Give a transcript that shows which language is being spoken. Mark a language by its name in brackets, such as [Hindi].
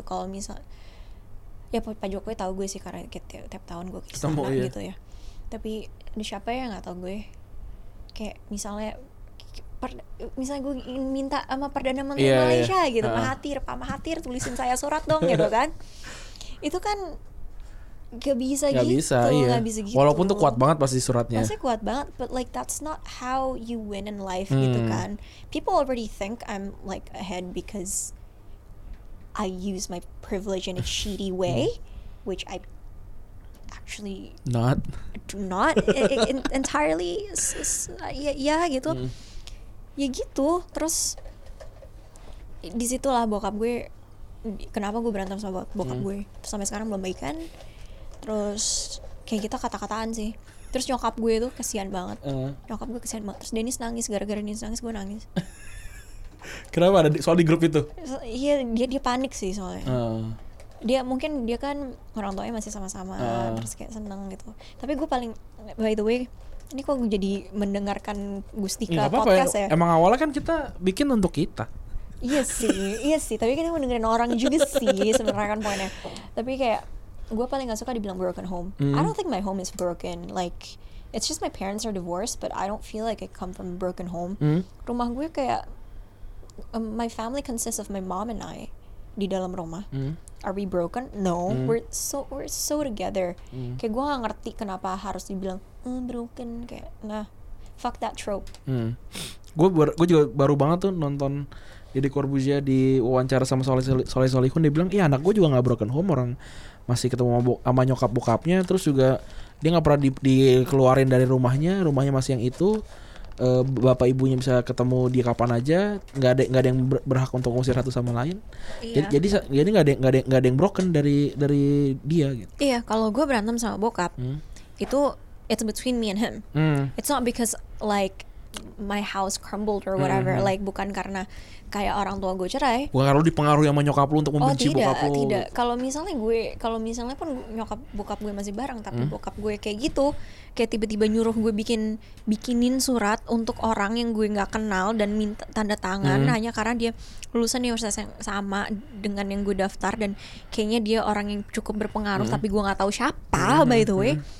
[Indonesian] Kalau misal ya Pak Jokowi tahu gue sih karena tiap tahun gue kesana gitu ya. Tapi siapa ya nggak tahu gue. Kayak misalnya misalnya gue minta sama Perdana Menteri Malaysia gitu, Mahathir, Pak Mahathir tulisin saya surat dong gitu kan. Itu kan gak bisa gak gitu, bisa, iya. Gak bisa gitu. Walaupun tuh kuat banget pasti suratnya. Pasti kuat banget, [English] but like that's not how you win in life [Indonesian] gitu kan. [English] People already think I'm like ahead because I use my privilege in a shitty way, which I actually not do not entirely [Indonesian] ya gitu. Ya gitu, terus disitulah bokap gue, kenapa gue berantem sama bokap gue. Terus sampai sekarang belum baikan. Terus kayak kita kata-kataan sih. Terus nyokap gue tuh kesian banget. Nyokap gue kesian banget. Terus Dennis nangis, gara-gara Dennis nangis gue nangis. Kenapa ada soal di grup itu? Iya, dia panik sih soalnya. Dia mungkin dia kan orang tuanya masih sama-sama, terus kayak seneng gitu. Tapi gue paling, [English] by the way, [Indonesian] ini kok jadi mendengarkan Gustika podcast ya? Emang awalnya kan kita bikin untuk kita. Iya sih, iya sih. Tapi kan emang dengerin orang juga sih sebenarnya kan poinnya. Tapi kayak gue paling gak suka dibilang broken home. [English] I don't think my home is broken. Like it's just my parents are divorced, but I don't feel like I come from a broken home. [Indonesian] Rumah gue kayak [English] my family consists of my mom and I [Indonesian] di dalam rumah. [English] Are we broken? No, we're so together. [Indonesian] Kayak gue gak ngerti kenapa harus dibilang broken kayak nah [English] fuck that trope. [Indonesian] Gue juga baru banget tuh nonton Deddy Corbuzier di wawancara sama Soleh Solihun, dia bilang iya anak gue juga nggak broken home, orang masih ketemu sama nyokap bokapnya, terus juga dia nggak pernah dikeluarin dari rumahnya, rumahnya masih yang itu, bapak ibunya bisa ketemu di kapan aja, nggak ada yang berhak untuk ngusir satu sama lain. Iya. Jadi nggak ada yang broken dari dia gitu. Iya, kalau gue berantem sama bokap itu [English] it's between me and him. It's not because like my house crumbled or whatever. [Indonesian] Like bukan karena kayak orang tua gue cerai. Bukan karena lu dipengaruhi sama nyokap lu untuk membenci bokap lu. Oh tidak. Kalau misalnya pun nyokap bokap gue masih bareng, tapi bokap gue kayak gitu, kayak tiba-tiba nyuruh gue bikinin surat untuk orang yang gue nggak kenal dan minta tanda tangan hanya karena dia lulusan universitas yang sama dengan yang gue daftar dan kayaknya dia orang yang cukup berpengaruh, tapi gue nggak tahu siapa [English] by the way.